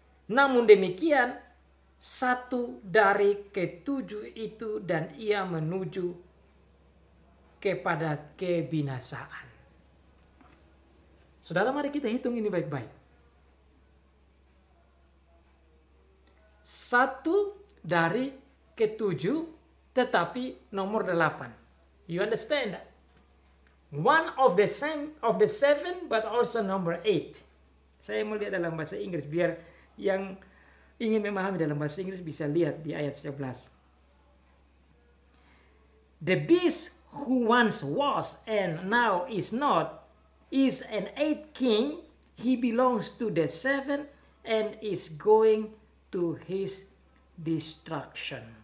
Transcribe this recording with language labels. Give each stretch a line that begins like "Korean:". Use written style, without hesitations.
Indonesian: Namun demikian, satu dari ketujuh itu dan ia menuju kepada kebinasaan. Saudara, mari kita hitung ini baik-baik. Satu dari ketujuh, tetapi nomor 8.
English: You understand that? One of the same of the seven, but also number 8.
Indonesian: Saya mau lihat dalam bahasa Inggris biar yang ingin memahami dalam bahasa Inggris bisa lihat di ayat 11.
English: The beast who once was and now is not is an 8th king. He belongs to the 7 and is going to his destruction.